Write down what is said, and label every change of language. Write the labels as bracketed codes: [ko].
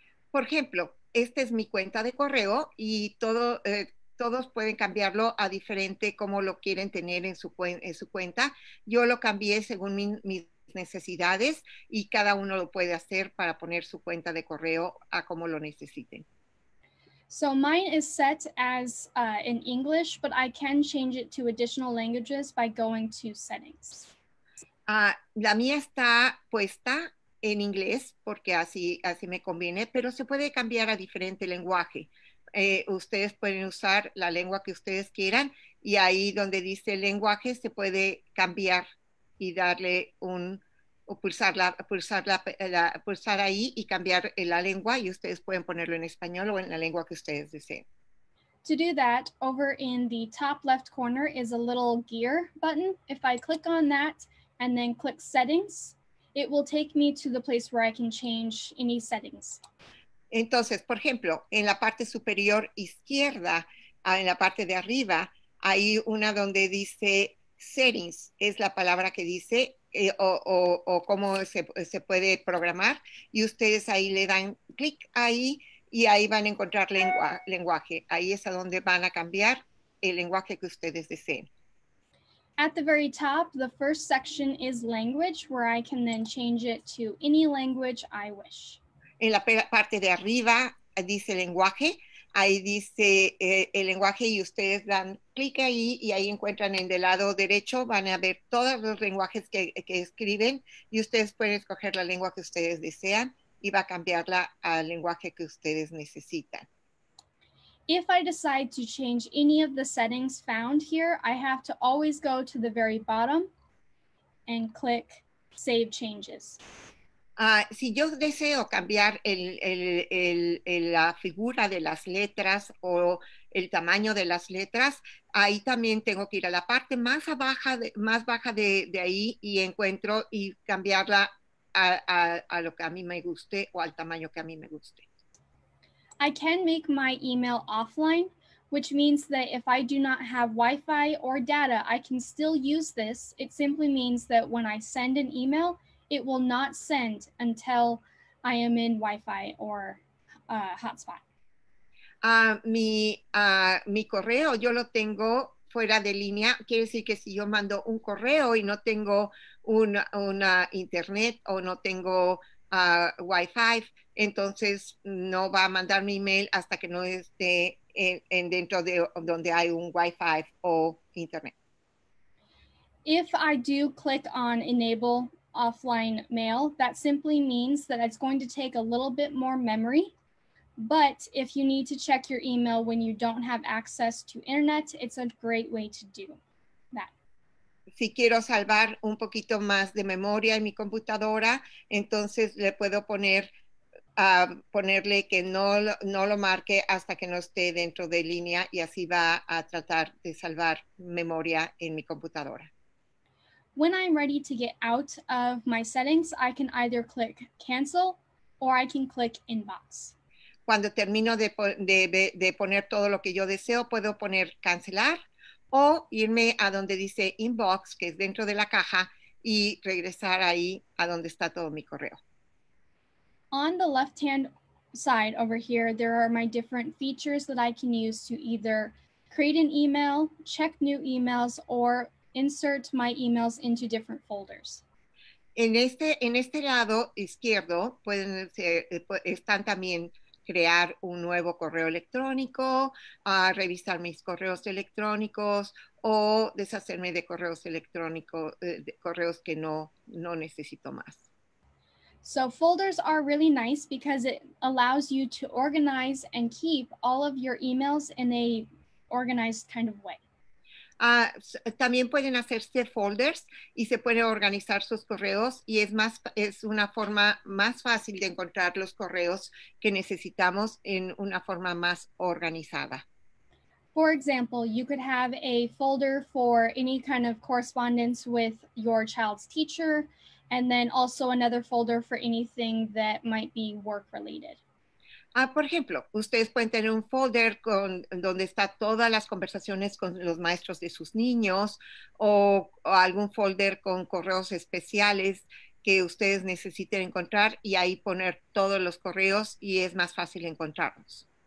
[es] Por ejemplo, esta es mi cuenta de correo y todos pueden cambiarlo a diferente como lo quieren tener en su cuenta. Yo lo cambié según mis necesidades y cada uno lo puede hacer para poner su cuenta de correo a como lo necesiten. [en] So mine is set as in English, but I can change it to additional languages by going to settings. [es] La mía está puesta en inglés porque así me conviene, pero se puede cambiar a diferente lenguaje. Ustedes pueden usar la lengua que ustedes quieran, y ahí donde dice lenguaje se puede cambiar y darle pulsar ahí y cambiar la lengua, y ustedes pueden ponerlo en español o en la lengua que ustedes deseen. [en] To do that, over in the top left corner is a little gear button. If I click on that and then click settings, it will take me to the place where I can change any settings. [es] Entonces, por ejemplo, en la parte superior izquierda, en la parte de arriba, hay una donde dice settings, es la palabra que dice, o cómo se puede programar, y ustedes ahí le dan clic ahí, y ahí van a encontrar lenguaje. Ahí es a donde van a cambiar el lenguaje que ustedes deseen. [en] At the very top, the first section is language, where I can then change it to any language I wish. [es] En la parte de arriba dice lenguaje, ahí dice el lenguaje, y ustedes dan clic ahí y ahí encuentran en el lado derecho, van a ver todos los lenguajes que escriben, y ustedes pueden escoger la lengua que ustedes desean y va a cambiarla al lenguaje que ustedes necesitan. [en] If I decide to change any of the settings found here, I have to always go to the very bottom and click Save Changes. [es] Si yo deseo cambiar la figura de las letras o el tamaño de las letras, ahí también tengo que ir a la parte más baja de ahí y encuentro y cambiarla a lo que a mí me guste o al tamaño que a mí me guste. [en] I can make my email offline, which means that if I do not have Wi-Fi or data, I can still use this. It simply means that when I send an email, it will not send until I am in Wi-Fi or hotspot. [es] Mi correo, yo lo tengo fuera de línea. Quiere decir que si yo mando un correo y no tengo una internet o no tengo Wi-Fi, entonces no va a mandar mi email hasta que no esté en dentro de donde hay un Wi-Fi o internet. [en] If I do click on enable offline mail, that simply means that it's going to take a little bit more memory. But if you need to check your email when you don't have access to internet, it's a great way to do that. [es] Si quiero salvar un poquito más de memoria en mi computadora, entonces le puedo poner ponerle que no lo marque hasta que no esté dentro de línea, y así va a tratar de salvar memoria en mi computadora. [en] When I'm ready to get out of my settings, I can either click cancel or I can click inbox. [es] Cuando termino de poner todo lo que yo deseo, puedo poner cancelar o irme a donde dice inbox, que es dentro de la caja, y regresar ahí a donde está todo mi correo. [en] On the left-hand side over here, there are my different features that I can use to either create an email, check new emails, or insert my emails into different folders. [es] En este lado izquierdo pueden ser, están también crear un nuevo correo electrónico, revisar mis correos electrónicos o deshacerme de correos electrónicos, de correos que no necesito más. [en] So folders are really nice because it allows you to organize and keep all of your emails in a organized kind of way. [es] También pueden hacerse folders y se puede organizar sus correos, y es una forma más fácil de encontrar los correos que necesitamos en una forma más organizada. [en] For example, you could have a folder for any kind of correspondence with your child's teacher, and then also another folder for anything that might be work related. [es] Por ejemplo, ustedes pueden tener un folder con donde está todas las conversaciones con los maestros de sus niños, o algún folder con correos especiales que ustedes necesiten encontrar, y ahí poner todos los correos y es más fácil encontrarlos.